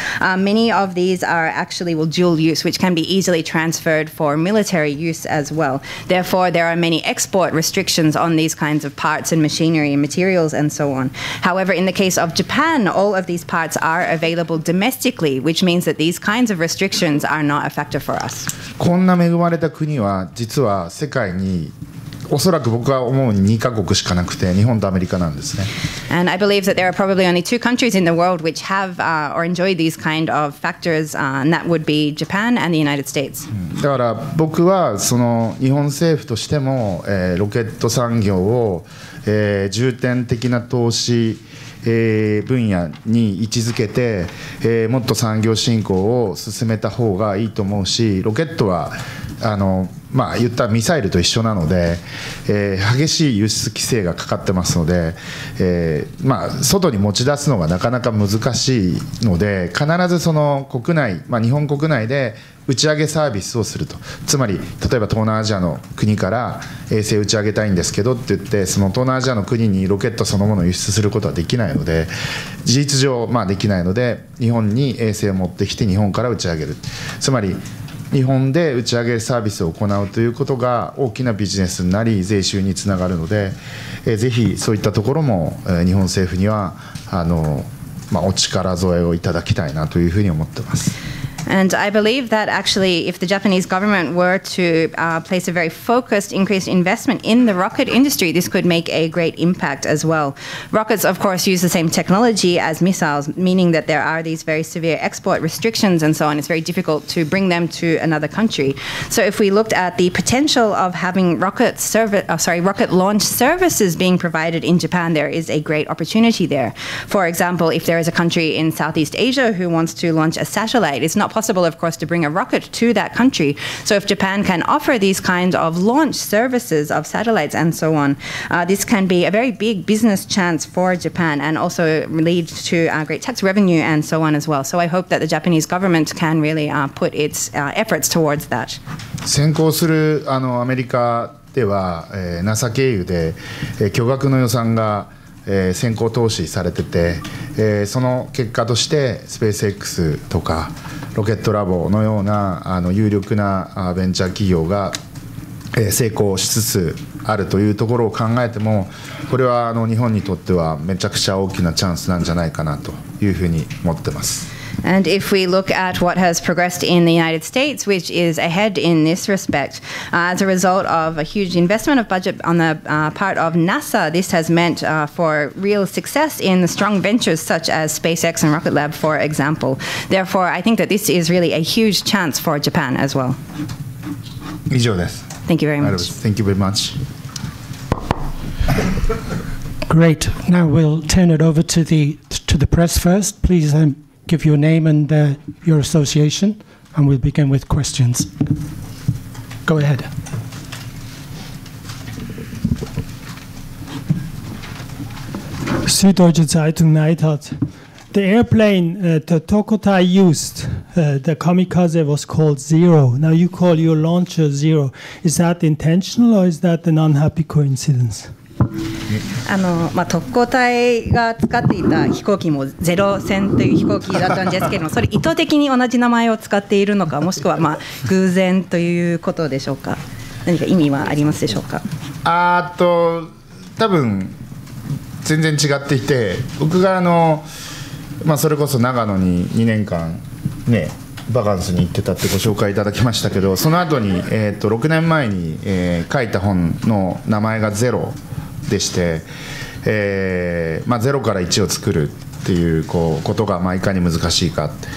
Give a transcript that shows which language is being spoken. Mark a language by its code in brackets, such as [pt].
[en] Many of these are actually, well, dual use, which can be easily transferred for military use as well. Therefore, there are many export restrictions on these kinds of parts and machinery and materials and so on. However, in the case of Japan, all of these parts are available domestically, which means that these kinds of restrictions are not a factor for us. [ja] 恵まれた国は実は世界に、おそらく僕は思うに2カ国しかなくて、日本とアメリカなんですね。 [en] And I believe that there are probably only two countries in the world which have, or enjoy these kind of factors, and that would be Japan and the United States. [ja] だから僕はその日本政府としても、ロケット産業を、重点的な投資、分野に位置づけて、もっと産業振興を進めた方がいいと思うし、ロケットはまあ、言ったミサイルと一緒なので、激しい輸出規制がかかってますので、まあ、外に持ち出すのがなかなか難しいので、必ずその国内、まあ、日本国内で打ち上げサービスをすると、つまり例えば東南アジアの国から衛星打ち上げたいんですけどって言って、その東南アジアの国にロケットそのものを輸出することはできないので、事実上まあできないので、日本に衛星を持ってきて日本から打ち上げる、つまり日本で打ち上げサービスを行うということが大きなビジネスになり税収につながるので、ぜひそういったところも日本政府にはお力添えをいただきたいなというふうに思っています。 [en] And I believe that actually if the Japanese government were to place a very focused increased investment in the rocket industry, this could make a great impact as well. Rockets, of course, use the same technology as missiles, meaning that there are these very severe export restrictions and so on. It's very difficult to bring them to another country. So if we looked at the potential of having rocket launch services being provided in Japan, there is a great opportunity there. For example, if there is a country in Southeast Asia who wants to launch a satellite, it's not possible, of course, to bring a rocket to that country. So if Japan can offer these kinds of launch services of satellites and so on, this can be a very big business chance for Japan and also lead to great tax revenue and so on as well. So I hope that the Japanese government can really put its efforts towards that. [ja] 先行するアメリカでは、NASA 経由で、巨額の予算が先行投資されてて、その結果としてスペース X とかロケットラボのような有力なベンチャー企業が成功しつつあるというところを考えても、これは日本にとってはめちゃくちゃ大きなチャンスなんじゃないかなというふうに思ってます。 [en] And if we look at what has progressed in the United States, which is ahead in this respect, as a result of a huge investment of budget on the part of NASA, this has meant for real success in the strong ventures such as SpaceX and Rocket Lab, for example. Therefore, I think that this is really a huge chance for Japan as well. [ja] 以上です。 [en] Thank you very much. Thank you very much. Great. Now we'll turn it over to the press first. Please, give your name and your association, and we'll begin with questions. Go ahead. Süddeutsche Zeitung Neidhardt. The airplane that Tokutai used, the kamikaze, was called Zero. Now you call your launcher Zero. Is that intentional or is that an unhappy coincidence? [ja] 特攻隊が使っていた飛行機もゼロ戦という飛行機だったんですけれども、それ意図的に同じ名前を使っているのか、もしくは偶然ということでしょうか。何か意味はありますでしょうか。多分全然違っていて、僕がそれこそ長野に2年間ねバカンスに行ってたってご紹介いただきましたけど、その後に6年前に、書いた本の名前がゼロでして、ゼロから1を作るっていうことが、いかに難しいか、